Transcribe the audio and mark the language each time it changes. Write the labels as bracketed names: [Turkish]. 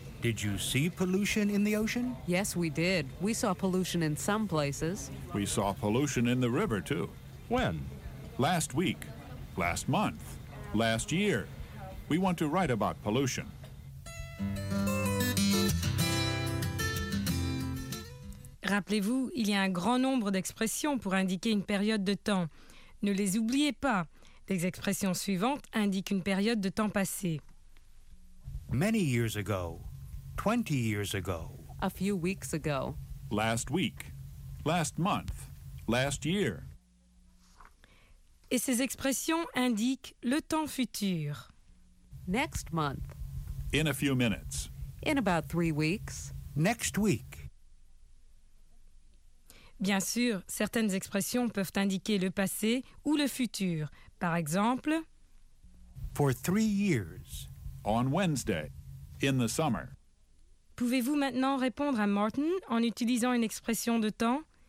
[English] Did you see pollution in the ocean? Yes, we did. We saw pollution in some places. We saw pollution in the river, too. When? last week, last month, last year. We want to write about pollution. [French] Rappelez-vous, il y a un grand nombre d'expressions pour indiquer une période de temps. Ne les oubliez pas. Les expressions suivantes indiquent une période de temps passé. [English] Many years ago, 20 years ago, a few weeks ago, last week, last month, last year. [French] Et ces expressions indiquent le temps futur. [English] Next month, in a few minutes, in about 3 weeks, next week. [French] Bien sûr, certaines expressions peuvent indiquer le passé ou le futur. Par exemple, [English] for 3 years, on Wednesday, in the summer. [French] Pouvez-vous maintenant répondre à Martin en utilisant une expression de temps?